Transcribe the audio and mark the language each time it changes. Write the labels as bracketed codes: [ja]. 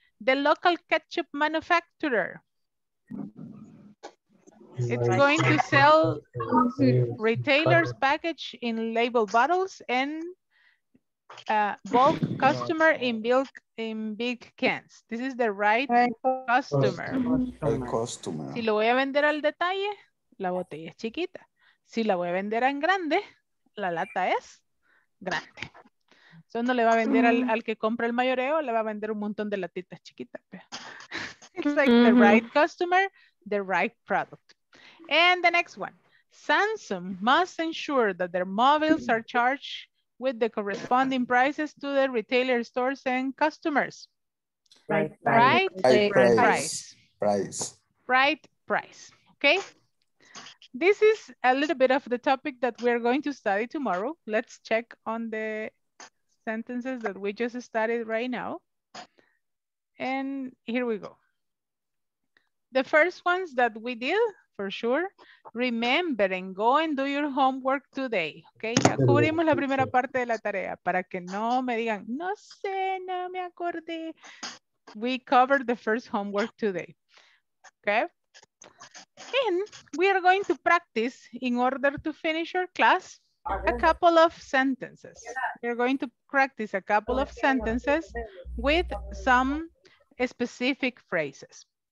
[en] The local ketchup manufacturer. It's going to sell retailers' package in label bottles and bulk customer in big cans. This is the right customer. [es] Si lo voy a vender al detalle, la botella es chiquita. Si la voy a vender en grande, la lata es grande. Eso no le va a vender al que compra el mayoreo, le va a vender un montón de latitas chiquitas. [en] It's like the right customer, the right product. And the next one. Samsung must ensure that their mobiles are charged with the corresponding prices to the retailer stores and customers. Right price. Okay. This is a little bit of the topic that we're going to study tomorrow. Let's check on the sentences that we just studied right now. And here we go. The first ones that we did, for sure, remember and go and do your homework today. [es] Okay, ya cubrimos la primera parte de la tarea para que no me digan, no sé, no me acordé. [en] We covered the first homework today. Okay. And we are going to practice in order to finish your class. A couple of sentences. We're going to practice a couple of sentences with some specific phrases.